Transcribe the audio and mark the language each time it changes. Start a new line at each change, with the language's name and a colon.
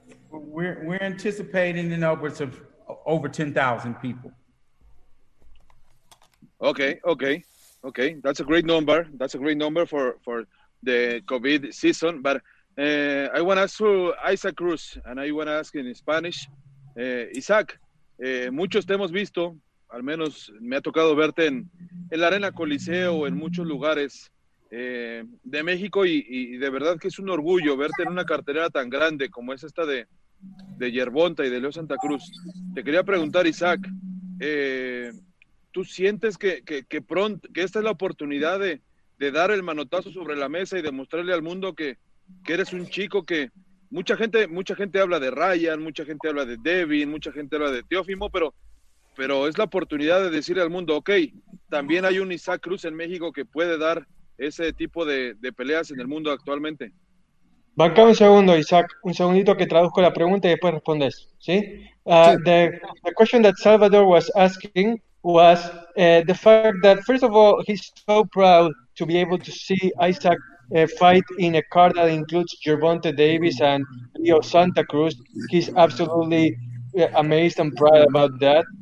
English: We're anticipating in upwards of over 10,000 people. Okay. Okay, that's a great number. That's a great number for the COVID season. But I want to ask for Isaac Cruz, and I want to ask in Spanish.
Spanish: Isaac, muchos te hemos visto, al menos me ha tocado verte en la Arena Coliseo, en muchos lugares de México, y de verdad que es un orgullo verte en una cartelera tan grande como es esta de Yerbonta y de Leo Santa Cruz. Te quería preguntar, Isaac, ¿tú sientes que pronto, que esta es la oportunidad de dar el manotazo sobre la mesa y demostrarle al mundo que eres un chico que mucha gente habla de Ryan, mucha gente habla de Devin, mucha gente habla de Teófimo, pero es la oportunidad de decirle al mundo, ok, también hay un Isaac Cruz en México que puede dar ese tipo de peleas en el mundo actualmente? Banca un segundo, Isaac, un segundito que traduzco la pregunta y después respondes, ¿sí?
English: The question that Salvador was asking was the fact that, first of all, he's so proud to be able to see Isaac fight in a card that includes Gervonta Davis and Leo Santa Cruz. He's absolutely amazed and proud about that.